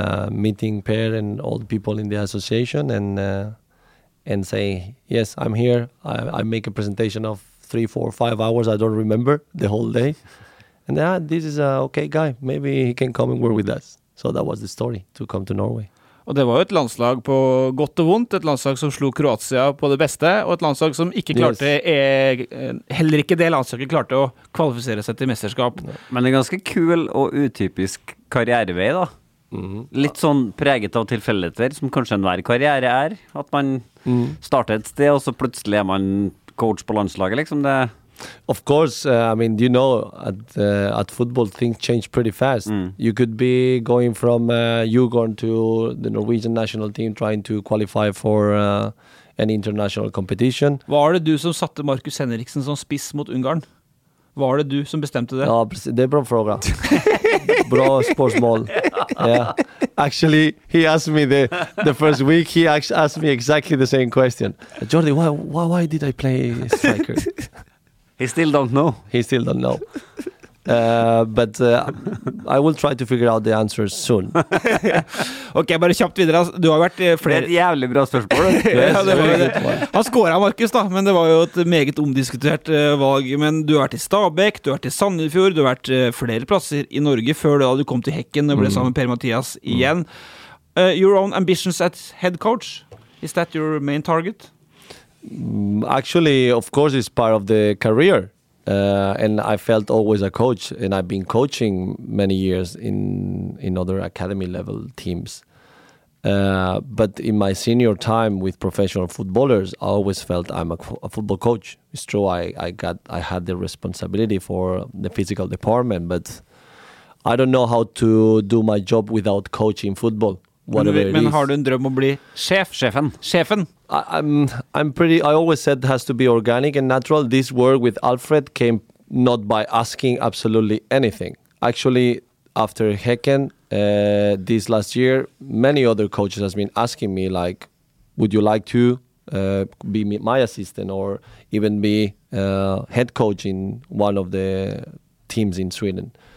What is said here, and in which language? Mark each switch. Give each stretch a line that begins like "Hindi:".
English: Meeting Per and all the people in the association and saying, yes, I'm here. I make a presentation of 3, 4, 5 hours. I don't remember the whole day. And this is a okay guy. Maybe he can come and work with us. So that was the story to come to Norway.
Swedish: Och det var ett landslag på gott och ont, ett landslag som slog Kroatien på det bästa och ett landslag som inte klarte heller inte det landslaget klarte att kvalificera sig till mästerskap. Ja. Men en ganska kul och utypisk karriärväg då. Mm. Lite sån präget av tillfälligheter som kanske en värre karriär är att man startar ett steg och så plötsligt är man coach på landslaget liksom det
English: Of course, I mean, you know, at football, things change pretty fast. Mm. You could be going from Ugorn to the Norwegian national team trying to qualify for an international competition.
Norwegian: Var det du som satte Markus Henriksen som spiss mot Ungarn? Var det du som bestemte det?
Swedish: Ja, det bra fråga.
Norwegian: Bra spørsmål.
Swedish: Yeah.
English: Actually, he asked me the first week, he asked me exactly the same question. Jordi, why did I play striker? He still don't know. But I will try to figure out the answer soon.
Norwegian: Okay, bare kjapt videre. Du har vært flere... Det et jævlig bra spørsmål. Yes, ja, han skåret, Markus, da, men det var jo et meget omdiskutert valg. Men du har vært i Stabæk, du har vært i Sandefjord, du har vært flere plasser I Norge før da du kom til Hekken og ble sammen med Per Mathias igjen.
English: Your own ambitions as head coach? Is that your main target? Actually, of course, it's part of the career. And I felt always a coach, and I've been coaching many years in other academy level teams. But in my senior time with professional footballers, I always felt I'm a football coach. It's true, I had the responsibility for the physical department, but I don't know how to do my job without coaching football.
Swedish: Men har du en dröm att bli chef, chefen? Chefen.
English: I always said it has to be organic and natural. This work with Alfred came not by asking absolutely anything. Actually, after Hecken this last year, many other coaches has been asking me like, would you like to be my assistant or even be head coach in one of the teams in Sweden?